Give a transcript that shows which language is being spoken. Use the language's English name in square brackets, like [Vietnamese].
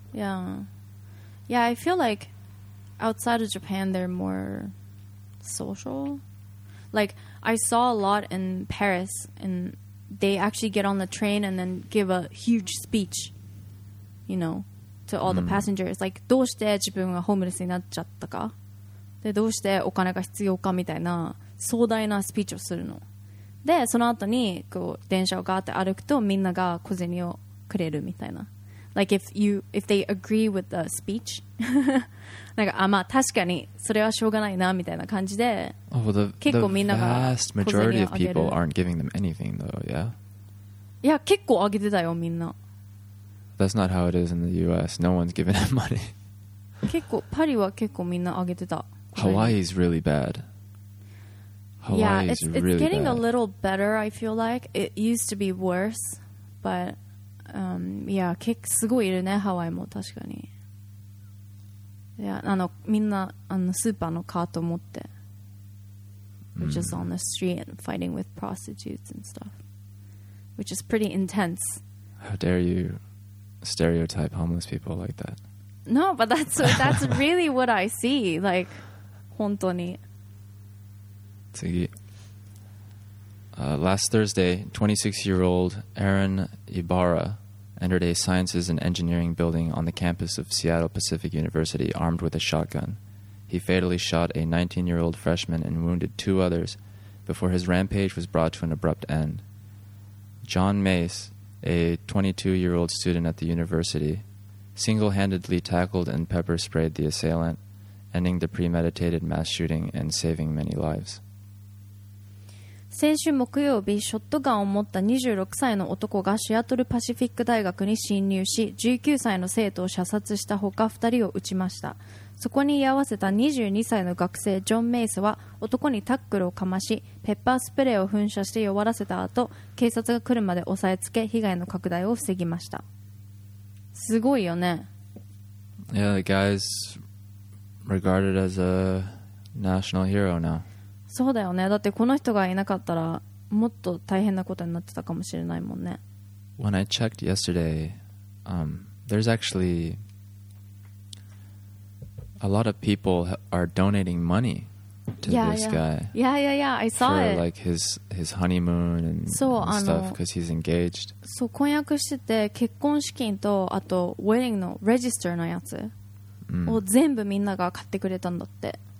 [English] Yeah. I feel like outside of Japan, they're more social. Like, I saw a lot in Paris, and they actually get on the train and then give a huge speech, you know, to all the passengers. [Japanese] Like, どうして自分がホームレスになっちゃったか? で、どうしてお金が必要かみたいな壮大なスピーチをするの。で、その後にこう電車をガーって歩くとみんなが小銭をくれるみたいな。 [English] Like, if they agree with the speech, like, [Japanese] 確かにそれはしょうがないなみたいな感じで、結構みんなが、 [English] the vast majority of people aren't giving them anything, though, yeah? [Japanese] いや、結構あげてたよ、みんな。 [English] That's not how it is in the US. No one's giving them money. [Japanese] 結構、パリは結構みんなあげてた。 [English] Hawaii's really bad. It's getting a little better, I feel like. It used to be worse, but... [Japanese] 結構すごいいるね、ハワイも確かに。いや、あの、みんな、あの、スーパーのカート持って。 [English] Which is on the street and fighting with prostitutes and stuff. Which is pretty intense. How dare you stereotype homeless people like that? No, but that's really what I see. Like, [Japanese] 本当に。次。 [English] Last Thursday, 26-year-old Aaron Ibarra entered a sciences and engineering building on the campus of Seattle Pacific University armed with a shotgun. He fatally shot a 19-year-old freshman and wounded two others before his rampage was brought to an abrupt end. John Mace, a 22-year-old student at the university, single-handedly tackled and pepper-sprayed the assailant, ending the premeditated mass shooting and saving many lives. [Japanese] 先週木曜日、ショットガンを持った26歳の男がシアトルパシフィック大学に侵入し、19歳の生徒を射殺したほか2人を撃ちました。そこに居合わせた22歳の学生ジョン・メイスは男にタックルをかまし、ペッパースプレーを噴射して弱らせた後、警察が来るまで押さえつけ、被害の拡大を防ぎました。すごいよね。 [English] Yeah, the guy's regarded as a national hero now. [Japanese] そうだよね。だってこの人がいなかったらもっと大変なことになってたかもしれないもんね。 [English] When I checked yesterday, there's actually a lot of people are donating money to this guy. Yeah, yeah, yeah. I saw it. For like his honeymoon and stuff because he's engaged. [Japanese] そう、婚約してて結婚資金とあとウェディングのレジスターのやつを全部みんなが買ってくれたんだって。